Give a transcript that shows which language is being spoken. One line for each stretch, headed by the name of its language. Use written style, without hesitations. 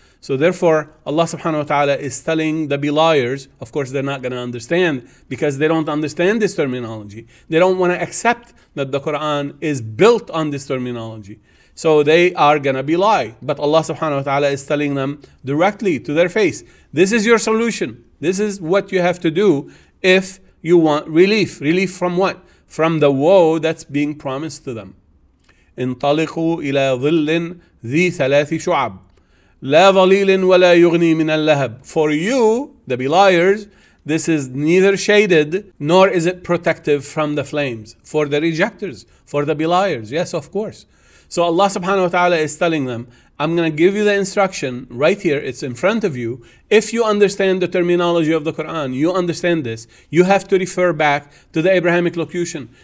English: So therefore, Allah subhanahu wa ta'ala is telling the beliars, of course they're not going to understand, because they don't understand this terminology. They don't want to accept that the Quran is built on this terminology. So they are going to be lie. But Allah subhanahu wa ta'ala is telling them directly to their face, this is your solution. This is what you have to do if you want relief. Relief from what? From the woe that's being promised to them.
Arabic: انطلقوا إلى ظل ذي ثلاث شعب لا ظليل ولا يغني من اللهب.
English: For you, the beliers, this is neither shaded nor is it protective from the flames. For the rejectors, for the beliers, yes, of course. So Allah subhanahu wa ta'ala is telling them, I'm going to give you the instruction right here, it's in front of you. If you understand the terminology of the Quran, you understand this, you have to refer back to the Abrahamic locution.